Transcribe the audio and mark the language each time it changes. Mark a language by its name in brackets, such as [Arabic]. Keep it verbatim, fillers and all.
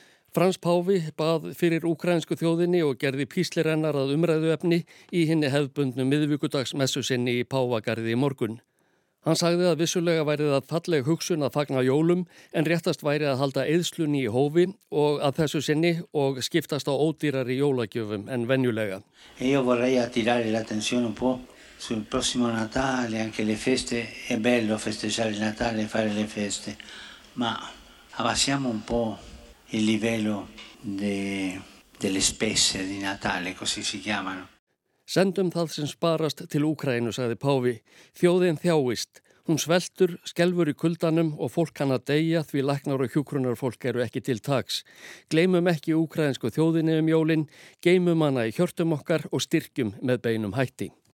[Icelandic] Frans Páfi bað fyrir úkraínsku þjóðinni og gerði píslir hennar að umræðuefni í hinni hefðbundnu miðvikudagsmessu sinni í Páfagarði í morgun. Hann sagði að vissulega væri það falleg hugsun að fagna jólum en réttast væri að halda eyðslunni í hófi og að þessu sinni og skiptast á ódýrari jólagjöfum en venjulega. [Italian] Ég vorrei attirare l'attenzione un po' sul prossimo Natale, anche le feste, è bello festeggiare il Natale e fare le feste, ma abbassiamo un po' il livello de, delle spese di Natale, così si chiamano. [Icelandic] Sendum það sem sparast til Úkraínu, sagði Páfi. Þjóðin þjáist. Hún sveltur, skelfur í kuldanum og fólk kann að deyja því læknar og hjúkrunar fólk eru ekki til taks. Gleymum ekki úkraínsku þjóðinni um jólin, geymum hana í hjörtum okkar og styrkjum með beinum hætti.